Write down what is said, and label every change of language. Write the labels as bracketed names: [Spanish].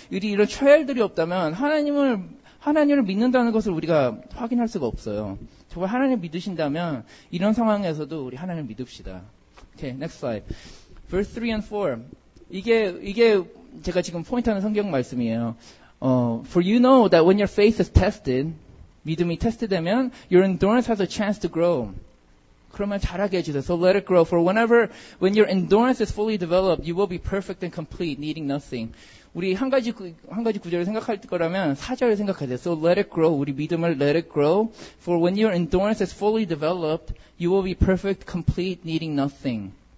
[Korean] 우리 이런 trial들이 없다면, 하나님을 믿는다는 것을 우리가 확인할 수가 없어요. 정말 하나님 믿으신다면, 이런 상황에서도 우리 하나님을 믿읍시다. [English] Okay, next slide. Verse 3 and 4. [Korean] 이게 제가 지금 포인트 하는 성경 말씀이에요. [English] For you know that when your faith is tested, [Korean] 믿음이 테스트되면, [English] your endurance has a chance to grow. [Korean] 그러면 자라게 해주세요. [English] So let it grow. For whenever, when your endurance is fully developed, you will be perfect and complete, needing nothing. [Korean] 우리 한 가지 구절을 생각할 거라면, 4절을 생각하세요. [English] So let it grow. [Korean] 우리 믿음을 [English] let it grow. For when your endurance is fully developed, you will be perfect, complete, needing nothing.